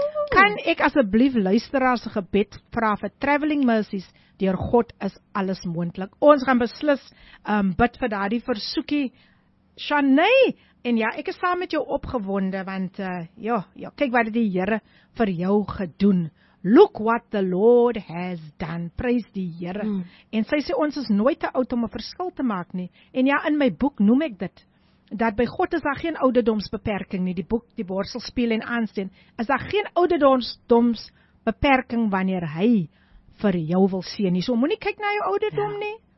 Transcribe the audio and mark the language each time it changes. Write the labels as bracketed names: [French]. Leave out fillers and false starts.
[Afrikaans] Kan ek asseblief luisteraars 'n gebed vra vir [English] traveling mercies? [Afrikaans] Deur God is alles moontlik. Ons gaan beslis bid vir daardie versoekie. Shanay, en ja, ek is saam met jou opgewonde, want ja, kyk wat die Here vir jou gedoen. [English] Look what the Lord has done. [Afrikaans] Praise die Here. Mm. En sy sê, ons is nooit te oud om 'n verskil te maak nie. En ja, in my boek noem ek dit, dat by God is daar geen ouderdomsbeperking nie. Die boek, die borselspeel en aansteen, is daar geen ouderdomsbeperking wanneer hy vir jou wil sien nie. So moet nie kyk na jou ouderdom nie.